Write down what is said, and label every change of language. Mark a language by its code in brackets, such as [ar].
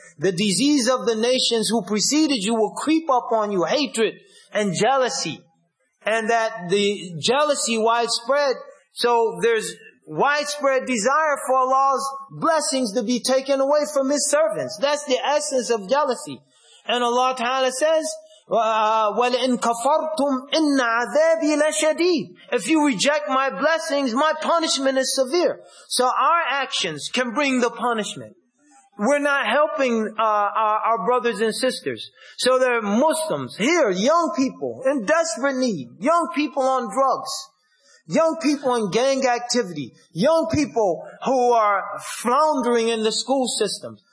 [en] The disease of the nations who preceded you will creep up on you. Hatred and jealousy. And that the jealousy widespread, so there's widespread desire for Allah's blessings to be taken away from His servants. That's the essence of jealousy. And Allah Ta'ala says, [ar] وَلَئِن كَفَرْتُمْ إِنَّ عَذَابِي لَشَدِيدٌ. [en] If you reject my blessings, my punishment is severe. So our actions can bring the punishment. We're not helping our brothers and sisters. So there are Muslims here, young people in desperate need, young people on drugs, young people in gang activity, young people who are floundering in the school system.